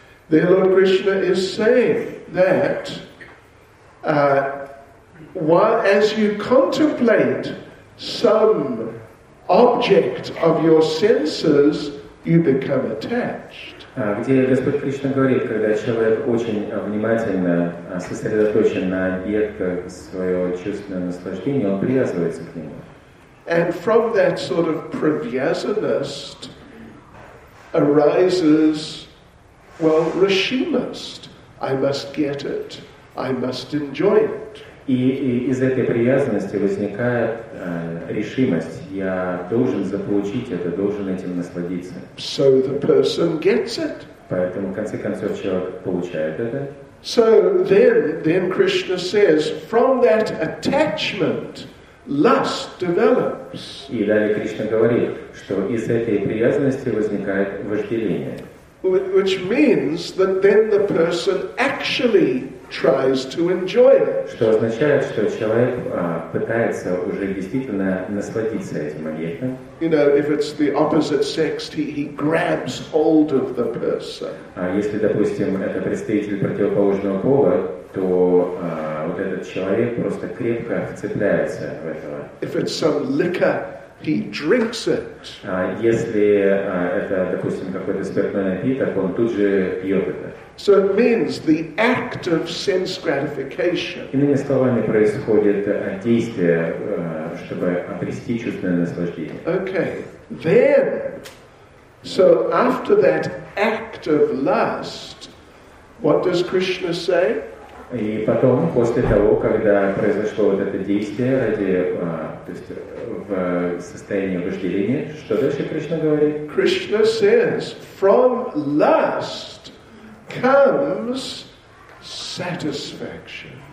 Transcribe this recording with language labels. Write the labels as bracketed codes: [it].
[en] There Lord Krishna is saying that while as you contemplate some object of your senses, you become attached. [ru] Где Господь Кришна говорит, когда человек очень внимательно сосредоточен на объектах своего чувственного наслаждения, он привязывается к нему. [en] And from that sort of pravyasanist arises, well, rishimist. I must get it. I must enjoy it. [ru] И из этой привязанности возникает решимость. Я должен заполучить это, должен этим насладиться. [en] So the person gets it. [ru] Поэтому, в конце концов, человек получает это. [en] So then Krishna says, from that attachment, lust develops. [ru] И далее Кришна говорит, что из этой привязанности возникает вожделение. [en] Which means that then the person actually tries to enjoy it. [ru] Что означает, что человек пытается уже действительно насладиться этим объектом. [en] You know, if it's the opposite sex, he grabs hold of the person. [ru] А если, допустим, это представитель противоположного пола, то вот этот человек просто крепко вцепляется в этого. [en] If it's some liquor, he drinks it. [ru] Если это, допустим, какой-то спиртной напиток, он тут же пьет это. [en] So it means the act of sense gratification. [ru] Иными словами, происходит действие, чтобы обрести чувственное наслаждение. [en] Okay, then, so after that act of lust, what does Krishna say? [ru] И потом, после того, когда произошло вот это действие ради, то есть в состоянии вожделения, что дальше Кришна говорит? [en] Krishna says, from lust comes satisfaction.